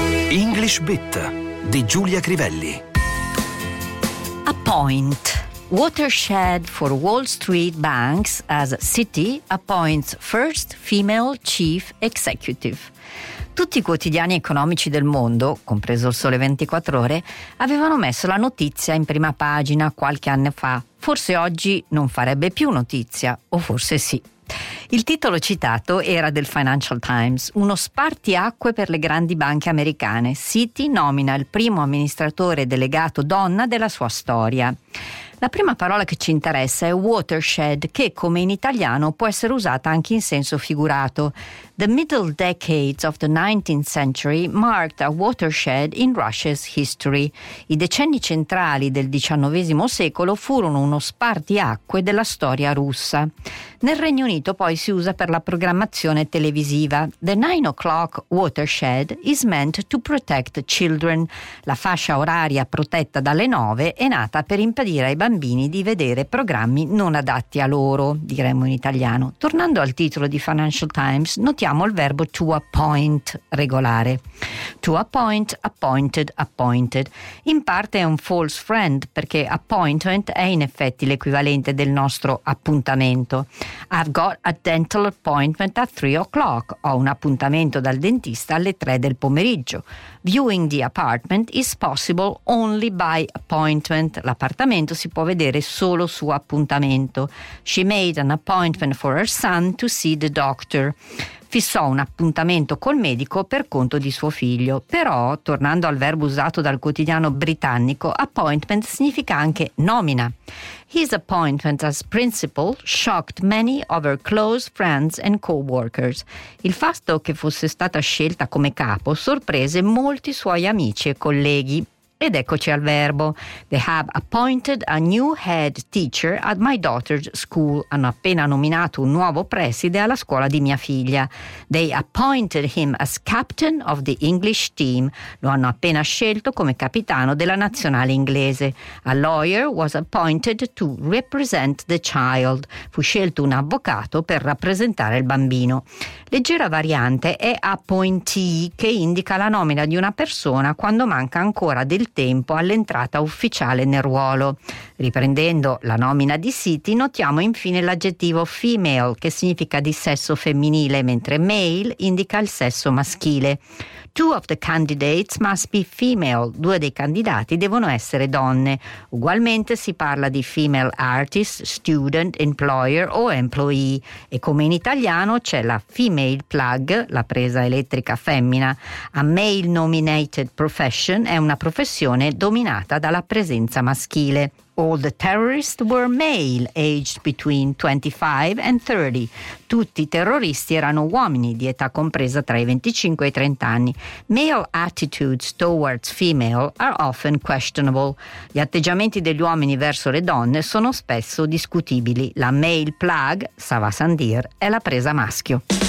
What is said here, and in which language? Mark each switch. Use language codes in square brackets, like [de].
[it] English Bit di Giulia Crivelli. [en] A point. Watershed for Wall Street banks as Citi appoints first female chief executive. [it] Tutti i quotidiani economici del mondo, compreso il Sole 24 Ore, avevano messo la notizia in prima pagina qualche anno fa. Forse oggi non farebbe più notizia, o forse sì. Il titolo citato era del Financial Times, uno spartiacque per le grandi banche americane. Citi nomina il primo amministratore delegato donna della sua storia. La prima parola che ci interessa è watershed, che come in italiano può essere usata anche in senso figurato. [en] The middle decades of the 19th century marked a watershed in Russia's history. [it] I decenni centrali del XIX secolo furono uno spartiacque della storia russa. Nel Regno Unito poi si usa per la programmazione televisiva. [en] The 9 o'clock watershed is meant to protect children. [it] La fascia oraria protetta dalle 9 è nata per impedire ai bambini di vedere programmi non adatti a loro, diremmo in italiano. Tornando al titolo di Financial Times, notiamo il verbo to appoint, regolare. [en] To appoint, appointed, appointed. [it] In parte è un false friend, perché appointment è in effetti l'equivalente del nostro appuntamento. [en] I've got a dental appointment at 3 o'clock. [it] Ho un appuntamento dal dentista alle 3 del pomeriggio. [en] Viewing the apartment is possible only by appointment. [it] L'appartamento si può vedere solo su appuntamento. [en] She made an appointment for her son to see the doctor. [it] Fissò un appuntamento col medico per conto di suo figlio. Però, tornando al verbo usato dal quotidiano britannico, appointment significa anche nomina. [en] His appointment as principal shocked many of her close friends and co-workers. [it] Il fatto che fosse stata scelta come capo sorprese molti suoi amici e colleghi. Ed eccoci al verbo. [en] They have appointed a new head teacher at my daughter's school. [it] Hanno appena nominato un nuovo preside alla scuola di mia figlia. [en] They appointed him as captain of the English team. [it] Lo hanno appena scelto come capitano della nazionale inglese. [en] A lawyer was appointed to represent the child. [it] Fu scelto un avvocato per rappresentare il bambino. Leggera variante è appointee, che indica la nomina di una persona quando manca ancora del tempo all'entrata ufficiale nel ruolo. Riprendendo la nomina di Citi, notiamo infine l'aggettivo female, che significa di sesso femminile, mentre male indica il sesso maschile. [en] Two of the candidates must be female. [it] Due dei candidati devono essere donne. Ugualmente si parla di female artist, student, employer o employee. E come in italiano c'è la female plug, la presa elettrica femmina. [en] A male nominated profession [it] è una professione dominata dalla presenza maschile. [en] All the terrorists were male, aged between 25 and 30. [it] Tutti i terroristi erano uomini di età compresa tra i 25 e i 30 anni. [en] Male attitudes towards female are often questionable. [it] Gli atteggiamenti degli uomini verso le donne sono spesso discutibili. La male plug, Sava Sandir, è la presa maschio.